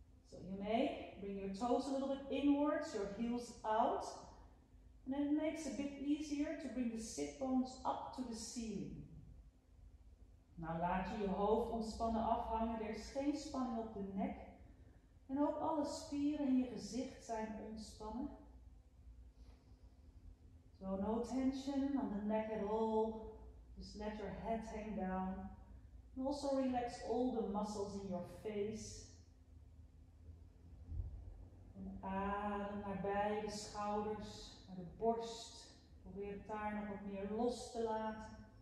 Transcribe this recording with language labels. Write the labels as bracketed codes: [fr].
[en] So you may bring your toes a little bit inwards, your heels out. And it makes it a bit easier to bring the sit bones up to the ceiling. [nl] Nou laat je je hoofd ontspannen afhangen, er is geen spanning op de nek. En ook alle spieren in je gezicht zijn ontspannen. [en] So no tension on the neck at all. Just let your head hang down. And also relax all the muscles in your face. [nl] En adem naar beide schouders, naar de borst. Probeer het daar nog wat meer los te laten.